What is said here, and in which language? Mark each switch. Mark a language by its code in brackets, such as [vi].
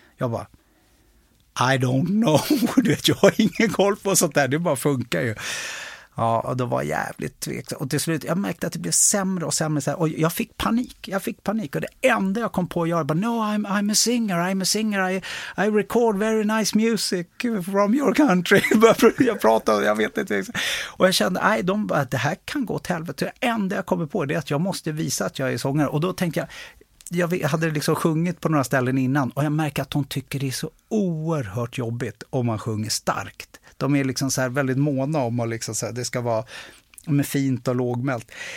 [sv] Jag bara, [en] I don't know, [sv] du vet, jag har ingen koll på sånt där, det bara funkar ju. Ja, och då var jävligt tveksam. Och till slut, jag märkte att det blev sämre och sämre. Så här, och jag fick panik. Och det enda jag kom på att göra, bara, [en] no, I'm a singer. I record very nice music from your country. [sv] Jag pratade, jag vet inte. Och jag kände, nej, de bara, det här kan gå till helvete. Det enda jag kommer på är att jag måste visa att jag är sångare. Och då tänkte jag, jag hade liksom sjungit på några ställen innan. Och jag märker att de tycker det är så oerhört jobbigt om man sjunger starkt. De är liksom så här väldigt måna om att liksom så här, det ska vara med fint och lågmält.